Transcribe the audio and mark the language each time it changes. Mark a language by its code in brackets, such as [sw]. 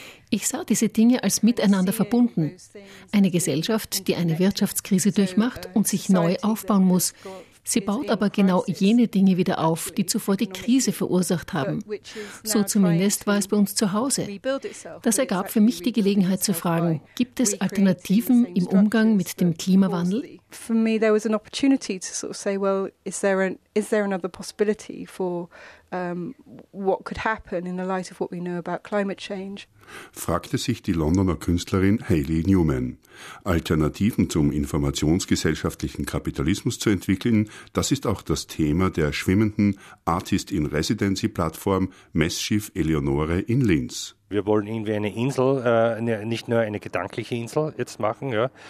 [de] Ich sah diese Dinge als miteinander verbunden. Eine Gesellschaft, die eine Wirtschaftskrise durchmacht und sich neu aufbauen muss. Sie baut aber genau jene Dinge wieder auf, die zuvor die Krise verursacht haben. So zumindest war es bei uns zu Hause. Das ergab für mich die Gelegenheit zu fragen, gibt es Alternativen im Umgang mit dem Klimawandel? [en] For me there was an opportunity to sort of say, well, is there another possibility for what could happen in the light of what we know about climate change? [de] Fragte sich die Londoner Künstlerin Hayley Newman. Alternativen zum informationsgesellschaftlichen Kapitalismus zu entwickeln, das ist auch das Thema der schwimmenden Artist-in-Residency-Plattform Messschiff Eleonore in Linz. Wir wollen irgendwie eine Insel, nicht nur eine gedankliche Insel jetzt machen. Ja.